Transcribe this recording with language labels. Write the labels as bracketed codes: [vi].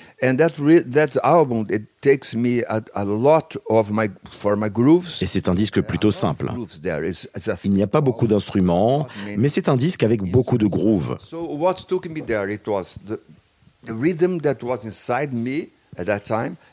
[en] And that album, it takes me a lot of my for my grooves. [fr] Et c'est un disque plutôt simple. Il n'y a pas beaucoup d'instruments, mais c'est un disque avec beaucoup de grooves. [en] So what took me there, it was the rhythm that was inside me at that time.